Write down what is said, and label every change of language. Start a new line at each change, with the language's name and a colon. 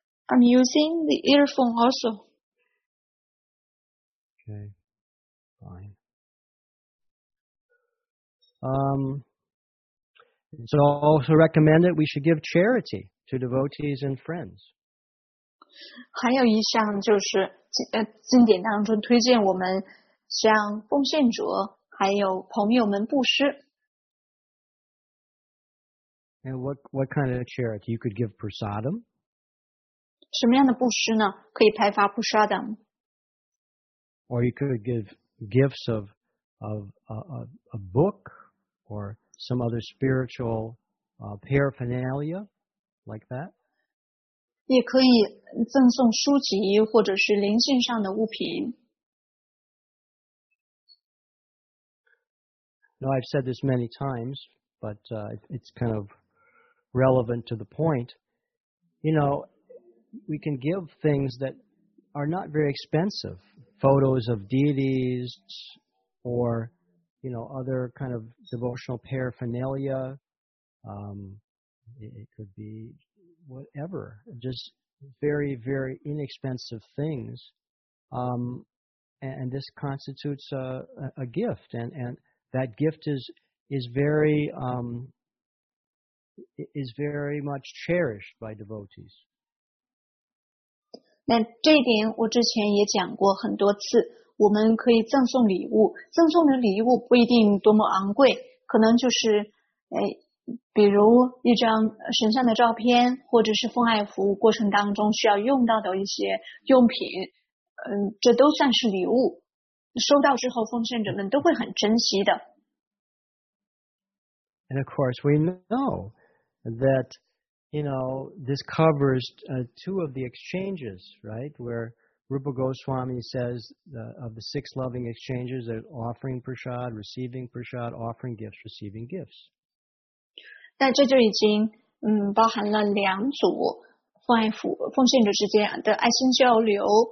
English: I'm using the earphone also. Okay, fine. It's also recommended we should give charity to devotees and friends.
Chinese: 还有一项就是经典当中推荐我们向奉献者还有朋友们布施。
English: And what kind of charity? You could give prasadam?
Chinese: 什么样的布施呢？可以派发布施的。
English: Or you could give gifts of a book or some other spiritual paraphernalia like that.
Chinese: 也可以赠送书籍或者是灵性上的物品。
English: Now I've said this many times, but it's kind of relevant to the point. You know, we can give things that are not very expensive. Photos of deities or, you know, other kind of devotional paraphernalia. It could be... whatever, just very, very inexpensive things. And this constitutes a gift. And that gift is very much cherished by devotees.
Chinese: 那这一点我之前也讲过很多次，我们可以赠送礼物，赠送的礼物不一定多么昂贵，可能就是比如一张神像的照片，或者是奉爱服务过程当中需要用到的一些用品，这都算是礼物。收到之后，奉献者们都会很珍惜的。
English: And of course, we know that, you know, this covers two of the exchanges, right? Where Rupa Goswami says of the six loving exchanges, they're offering prasad, receiving prasad, offering gifts, receiving gifts.
Chinese: 那这就已经包含了两组奉献者之间的爱心交流。